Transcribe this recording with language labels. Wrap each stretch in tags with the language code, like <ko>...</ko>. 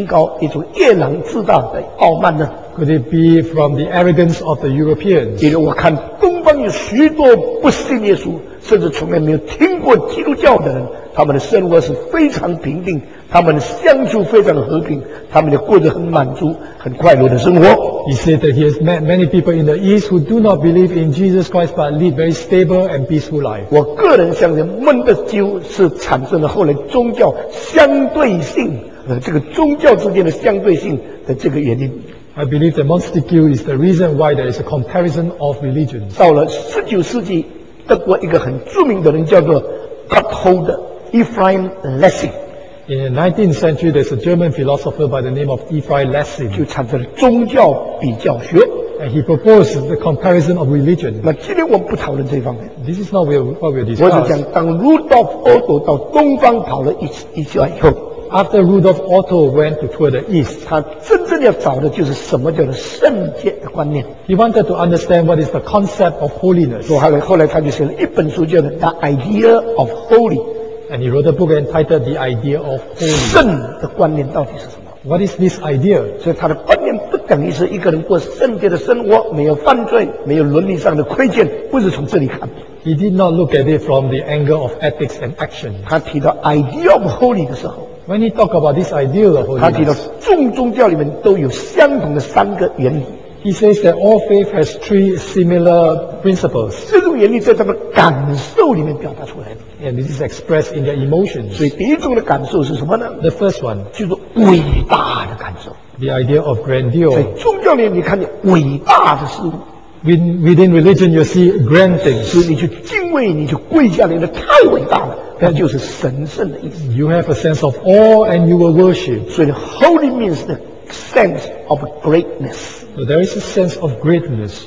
<zh>会不会这是欧洲人的自鸣清高，一种夜郎自大的傲慢呢？</zh> <en>Could it be from the arrogance of the Europeans?</en> <zh>因为我看东方有许多不信耶稣，甚至从来没有听过基督教的人， 他们的生活是非常平定，他们相处非常和平，他们也过着很满足、很快乐的生活。</zh> <en>He said that he has met many people in the East who do not believe in Jesus Christ but live very stable and peaceful life.</en> <zh>我个人相信孟德斯鸠是产生了后来宗教相对性，这个宗教之间的相对性的这个原因。</zh> <en>I believe that Montesquieu is the reason why there is a comparison of religions.</en> <zh>到了19世纪，德国一个很著名的人叫做 Gotthold Ephraim Lessing.</zh> <en>In the 19th century, there's a German philosopher by the name of Ephraim Lessing.</en> <zh>就产生了宗教比较学。</zh> <en>And he proposed the comparison of religion.</en> <zh>那今天我们不讨论这方面。</zh> <en>This is not what we'll discuss.</en> <zh>我只讲当 Rudolf Otto 到东方跑了一圈以后，</zh> <en>after Rudolf Otto went to tour the East,</en> <zh>他真正要找的就是什么叫做圣洁的观念。</zh> <en>He wanted to understand what is the concept of holiness.</en> <zh>后来他就写了一本书叫做 The Idea of Holy.</zh> <en>And he wrote a book entitled The Idea of Holy.</en> <zh>圣的观念到底是什么？</zh> <en>What is this idea?</en> <zh>所以他的观念不等于是一个人过圣洁的生活，没有犯罪，没有伦理上的亏欠，不是从这里看。</zh> <en>He did not look at it from the angle of ethics and action.</en> <zh>他提到</zh> <en>idea of holy</en> <zh>的时候，</zh> <en>when he talked about this idea of holy,</en> <zh>他提到众宗教里面都有相同的三个原理。</zh> <en>He says that all faith has three similar principles.</en> <zh>这种原理在他们感受里面表达出来的。</zh> <en>And this is expressed in their emotions.</en> <zh>所以第一种的感受是什么呢？</zh> <en>The first one</en> <zh>就是伟大的感受。</zh> <en>The idea of grandeur.</en> <zh>在宗教里面你看见伟大的事物。</zh> <en>Within religion, you see grand things.</en> <zh>所以你去敬畏，你去跪下来，那太伟大了。That 就是神圣的意思。</zh> <en>You have a sense of awe and you will worship. 所以 holy means the sense of greatness. So there is a sense of greatness.</en>